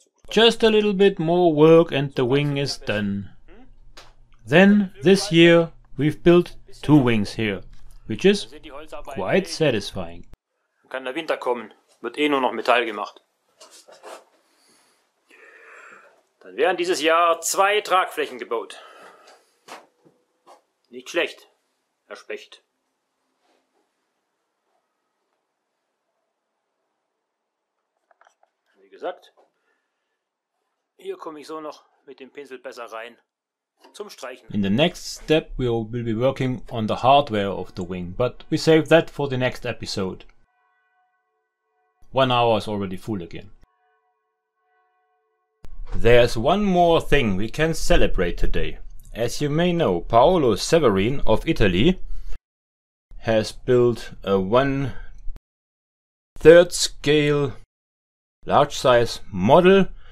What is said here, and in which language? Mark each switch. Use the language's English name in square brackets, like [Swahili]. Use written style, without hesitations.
[English] Just a little bit more work and the wing is done. Then, this year, we've built two wings here, which is quite satisfying. [German] Kann der Winter kommen, wird eh nur noch Metall gemacht. Dann werden dieses Jahr zwei Tragflächen gebaut. Nicht schlecht, Herr Specht. Wie gesagt, hier komme ich so noch mit dem Pinsel besser rein zum Streichen. [English] In the next step we will be working on the hardware of the wing, but we save that for the next episode. 1 hour is already full again. There's one more thing we can celebrate today. As you may know, Paolo Severins of Italy has built a 1/3 scale large size model